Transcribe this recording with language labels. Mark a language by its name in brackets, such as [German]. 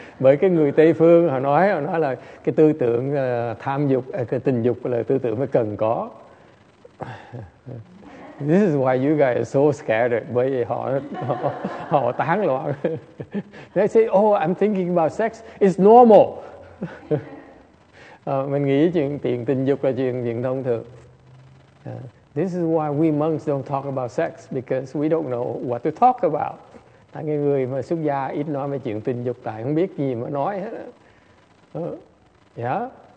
[Vietnamese] Bởi cái người Tây phương họ nói là cái tư tưởng tham dục, cái tình dục là tư tưởng mới cần có. [English] This is why you guys are so scattered. [Vietnamese] Bởi vì họ tán loạn. [English] They say, "Oh, I'm thinking about sex. It's normal." [Vietnamese] Mình nghĩ chuyện tiền tình dục là chuyện thông thường. [English] This is why we monks don't talk about sex, because we don't know what to talk about. [Vietnamese] Tại cái người mà xuất gia ít nói về chuyện tình dục, tại không biết gì mà nói hết.